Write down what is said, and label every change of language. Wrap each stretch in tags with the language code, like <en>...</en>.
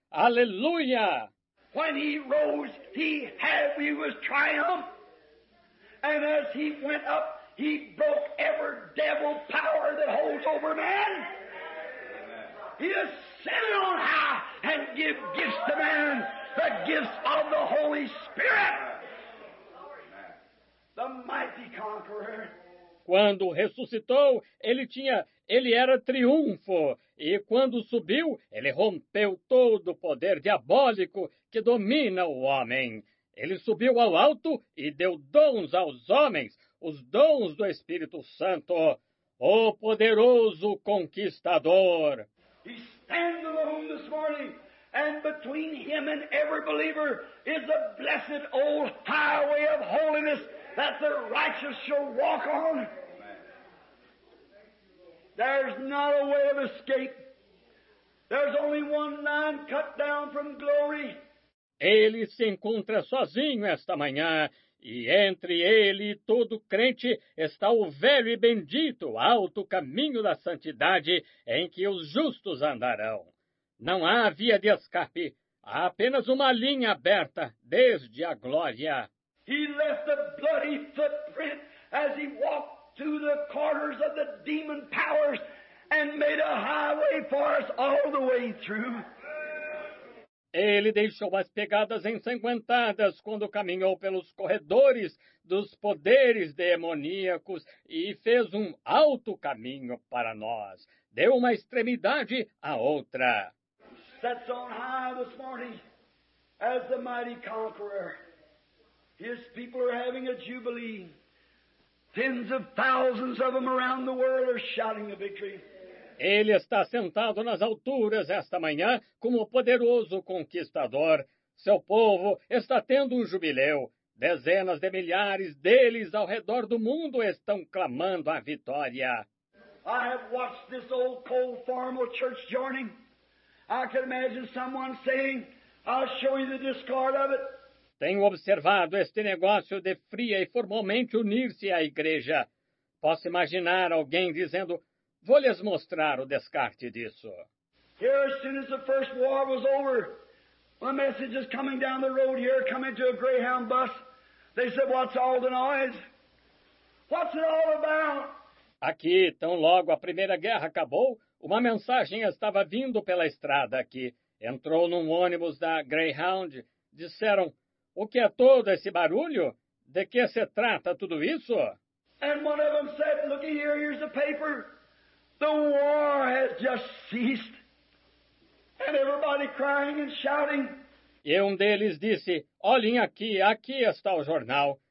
<pt>Aleluia!</pt> <en>When he rose, he was triumphant. And as he went up, he broke every devil power that holds over man. He ascended on high and gave gifts to man, the gifts of the Holy Spirit, the mighty conqueror.</en> <pt>Quando ressuscitou, ele era triunfo. E quando subiu, ele rompeu todo o poder diabólico que domina o homem. Ele subiu ao alto e deu dons aos homens, os dons do Espírito Santo, o poderoso conquistador.</pt> <en>He stands alone this morning, and between him and every believer is a blessed old highway of holiness that the righteous shall walk on. There's not a way of escape. There's only one line cut down from glory.</en> <pt>Ele se encontra sozinho esta manhã, e entre ele e todo crente está o velho e bendito alto caminho da santidade em que os justos andarão. Não há via de escape, há apenas uma linha aberta desde a glória.</pt> <en>He left a bloody footprint as he walked through the corners of the demon powers and made a highway for us all the way through.</en> <pt>Ele deixou as pegadas ensanguentadas quando caminhou pelos corredores dos poderes demoníacos e fez um alto caminho para nós. Deu uma extremidade à outra.</pt> <en>Sets on high this morning as the mighty conqueror. His people are having a jubilee. Tens of thousands of them around the world are shouting the victory.</en> <pt>Ele está sentado nas alturas esta manhã como poderoso conquistador. Seu povo está tendo um jubileu. Dezenas de milhares deles ao redor do mundo estão clamando a vitória.</pt> <en>I have watched this old cold formal church joining. I can imagine someone saying, I'll show you the discard of it.</en> <pt>Tenho observado este negócio de fria e formalmente unir-se à igreja. Posso imaginar alguém dizendo, vou lhes mostrar o descarte disso.</pt> <en>Here, as soon as the first war was over, a message is coming down the road here, coming to a Greyhound bus. They said, what's all the noise? What's it all about?</en> <pt>Aqui, tão logo a Primeira Guerra acabou, uma mensagem estava vindo pela estrada aqui. Entrou num ônibus da Greyhound. Disseram, o que é todo esse barulho? De que se trata tudo isso?</pt> <en>And one of them said, look here, here's the paper. The war has just ceased. And everybody crying and shouting.</en> <pt>E um deles disse, olhem aqui, aqui está o jornal.</pt>